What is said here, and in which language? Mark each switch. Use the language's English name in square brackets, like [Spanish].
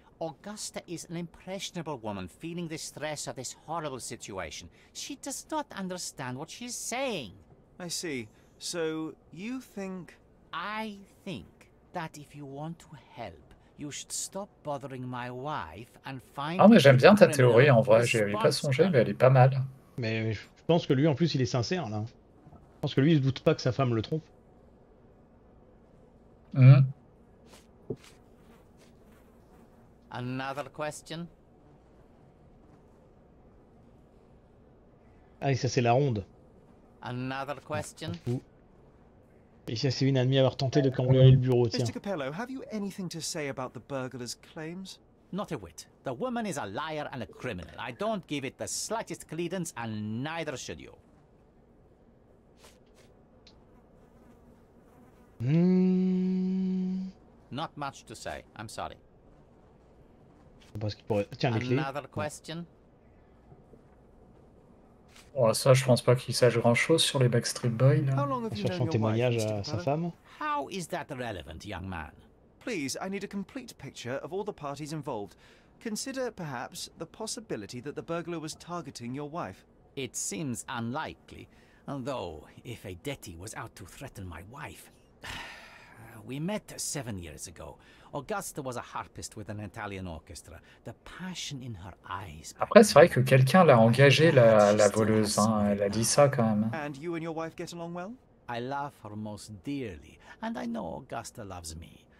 [English] Augusta is an impressionable woman feeling the stress of this horrible situation. She does not understand what she's saying. I see. So you think... I think that if you want to help, you should stop bothering my wife and find... [French] Ah, mais j'aime bien ta théorie, en vrai. J'y avais pas songé, mais elle est pas mal. Mais je pense que lui, en plus, il est sincère, là. Je pense que lui, il se doute pas que sa femme le trompe. Hmm. [English] Another question? [French] Ah, et ça, c'est la ronde. [English] Another question? [French] Et ça, c'est une ennemie avoir tenté de cambrioler le bureau, tiens. [English] Mr. Capello, have you anything to say about the burglar's claims? Not a whit. The woman is a liar and a criminal. I don't give it the slightest credence, and neither should you. Mmh. Not much to say. I'm sorry. [French] Parce qu'il pourrait... Tiens, les clés. [English] Another question? [French] Oh, ça, je pense pas qu'il sache grand-chose sur les Backstreet Boys, là. En cherchant témoignage à sa femme. [English] How is that relevant, young man? Please, I need a complete picture of all the parties involved. Consider, perhaps, the possibility that the burglar was targeting your wife. It seems unlikely, though, if a detti was out to threaten my wife. We met 7 years ago. Augusta was a harpist with an Italian orchestra. The passion in her eyes. [French] Après, c'est vrai que quelqu'un l'a engagée, la voleuse. Hein. Elle a dit ça quand même. [English] And you and your wife get along well? I love her most dearly, and I know Augusta loves me.